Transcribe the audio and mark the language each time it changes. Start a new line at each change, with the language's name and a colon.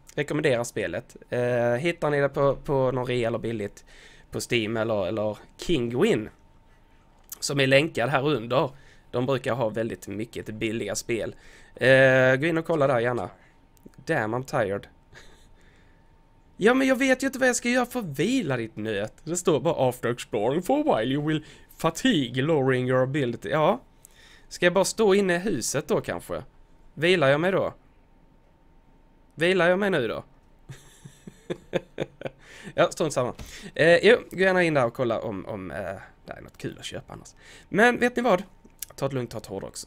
Swedish: Rekommenderar spelet. Hittar ni det på någon rea eller billigt på Steam eller Kinguin. Som är länkad här under. De brukar ha väldigt mycket billiga spel. Gå in och kolla där gärna.
English: Damn, I'm tired.
Swedish: Ja, men jag vet ju inte vad jag ska göra för att vila ditt nöt. Det står bara
English: after exploring for a while you will fatigue lowering your ability.
Swedish: Ja. Ska jag bara stå inne i huset då kanske? Vilar jag mig då? Vilar jag mig nu då? Ja, strunt samma. Gå gärna in där och kolla om det är något kul att köpa annars. Men vet ni vad? Ta ett lugnt, ta ett hård också.